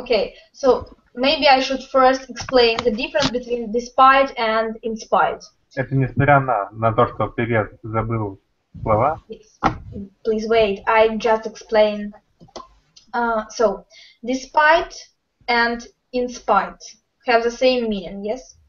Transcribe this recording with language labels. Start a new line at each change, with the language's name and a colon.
English: Okay, so maybe I should first explain the difference between despite and in spite.
Russian: Это несмотря на то, что певец забыл слова.
English: Yes. Please wait, I just explain. So, despite and in spite have the same meaning, yes?